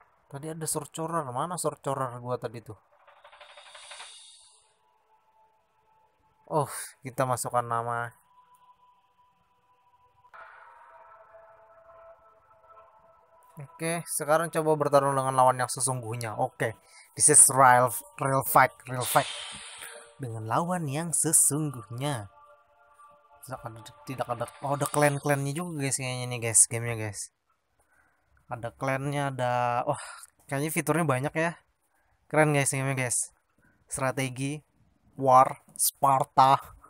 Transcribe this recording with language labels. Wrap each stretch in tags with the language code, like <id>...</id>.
<id>Tadi ada sorcerer, mana sorcerer gua tadi tuh? Oh, kita masukkan nama. Oke, sekarang coba bertarung dengan lawan yang sesungguhnya.</id> <en>Oke, this is real, real fight, real fight.</en> <id>Dengan lawan yang sesungguhnya. Tidak ada. Oh, ada clan-clannya juga, guys, kayaknya nih, guys, gamenya, guys. Ada clannya, ada. Oh, kayaknya fiturnya banyak ya. Keren, guys, gamenya, guys. Strategi, war, Sparta.</id>